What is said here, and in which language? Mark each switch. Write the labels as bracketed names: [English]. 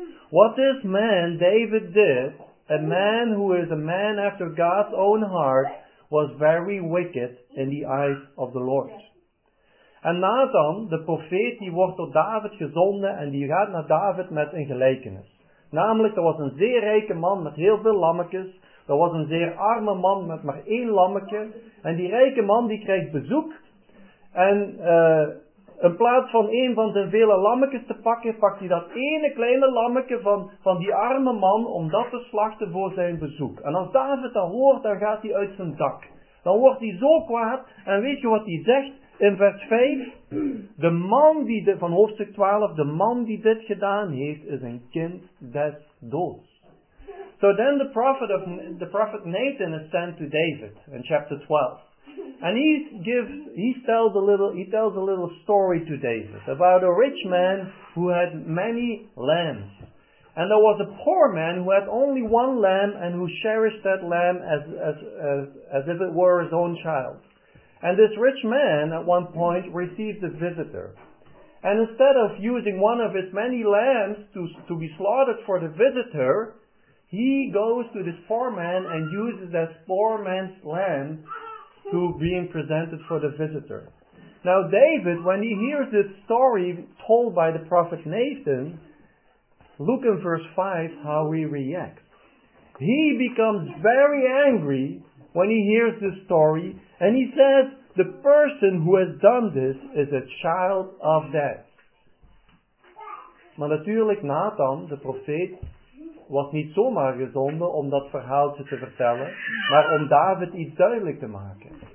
[English] What this man, David, did, a man who is a man after God's own heart, was very wicked in the eyes of the Lord. [Dutch] En Nathan, de profeet, die wordt door David gezonden en die gaat naar David met een gelijkenis. Namelijk, er was een zeer rijke man met heel veel lammetjes. Er was een zeer arme man met maar één lammetje. En die rijke man die krijgt bezoek. En in plaats van één van zijn vele lammetjes te pakken, pakt hij dat ene kleine lammetje van die arme man om dat te slachten voor zijn bezoek. En als David dat hoort, dan gaat hij uit zijn dak. Dan wordt hij zo kwaad. En weet je wat hij zegt in vers 5? De man van hoofdstuk 12, de man die dit gedaan heeft, is een kind des doods. [English] So then the prophet Nathan is sent to David in chapter 12. And he tells a little story to David about a rich man who had many lambs. And there was a poor man who had only one lamb and who cherished that lamb as if it were his own child. And this rich man at one point received a visitor. And instead of using one of his many lambs to be slaughtered for the visitor, he goes to this poor man and uses that poor man's lamb to being presented for the visitor. Now David, when he hears this story told by the prophet Nathan, look in verse 5 how he reacts. He becomes very angry when he hears this story, and he says, the person who has done this is a child of death. [Dutch] Maar natuurlijk, Nathan, de profeet, was niet zomaar gezonden om dat verhaaltje te vertellen, maar om David iets duidelijk te maken.